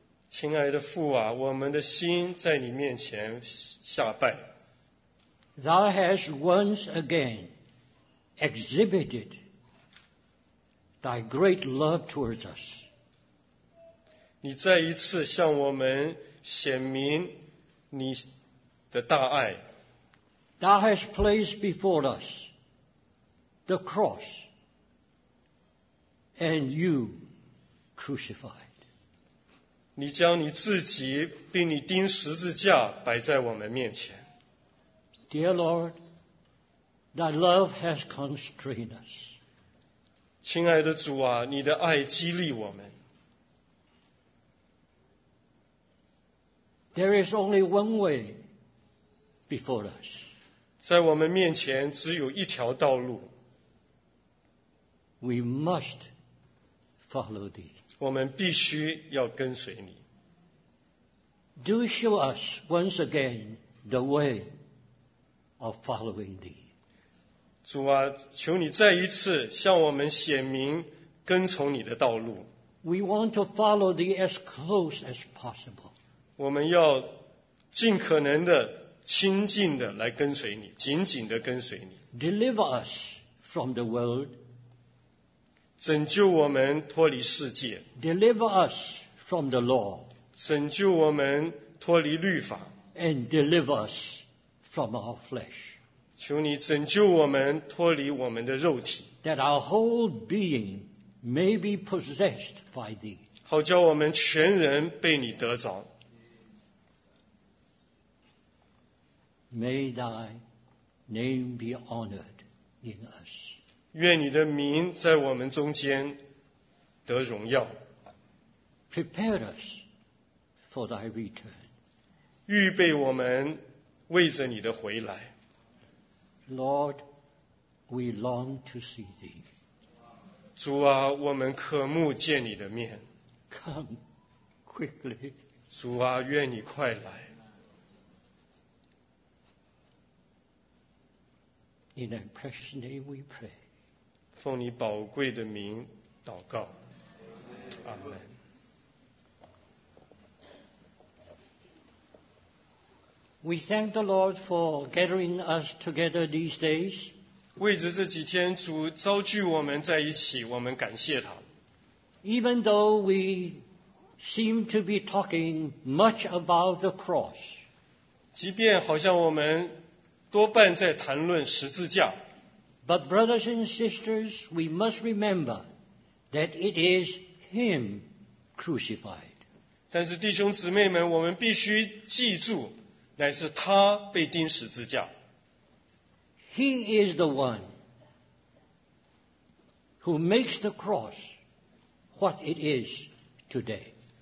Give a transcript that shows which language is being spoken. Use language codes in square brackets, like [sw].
[zh] 亲爱的父啊，我们的心在你面前下拜。 [en] Thou hast once again exhibited thy great love towards us. [zh] 你再一次向我们显明你的大爱。 [en] Thou hast placed before us. The cross and you crucified. [zh] 你将你自己并你钉十字架摆在我们面前。 [en] Dear Lord, thy love has constrained us. [zh] 亲爱的主啊，你的爱激励我们。 [en] There is only one way before us. [zh] 在我们面前只有一条道路。 [en] We must follow thee. [zh] 我们必须要跟随你。 [en] Do show us once again the way of following thee. [zh] 主啊，求你再一次向我们显明跟从你的道路。 [en] We want to follow thee as close as possible. [zh] 我们要尽可能的亲近的来跟随你，紧紧的跟随你。 [en] Deliver us from the world. [zh] 拯救我们脱离世界。 [en] Deliver us from the law. [zh] 拯救我们脱离律法。 [en] And deliver us from our flesh. [zh] 求你拯救我们脱离我们的肉体。 [en] That our whole being may be possessed by thee. [zh] 好叫我们全人被你得着。 [en] May thy name be honored in us. [zh] 愿你的名在我们中间得荣耀。 [en] Prepare us for thy return. [zh] 预备我们为着你的回来。 [en] Lord, we long to see thee. [zh] 主啊，我们渴慕见你的面。 [en] Come quickly. [zh] 主啊，愿你快来。 [en] In thy precious name we pray. [zh] 奉你宝贵的名祷告，阿门。 [en] We thank the Lord for gathering us together these days. [zh] 为着这几天, 主召聚我们在一起, [en] Even though we seem to be talking much about the cross, [zh] 即便好像我们多半在谈论十字架, [en] but brothers and sisters, we must remember that it is Him crucified. [zh] 但是弟兄姊妹们, 我们必须记住, 乃是他被钉十字架。 [en] He is the one who makes the cross what it is today.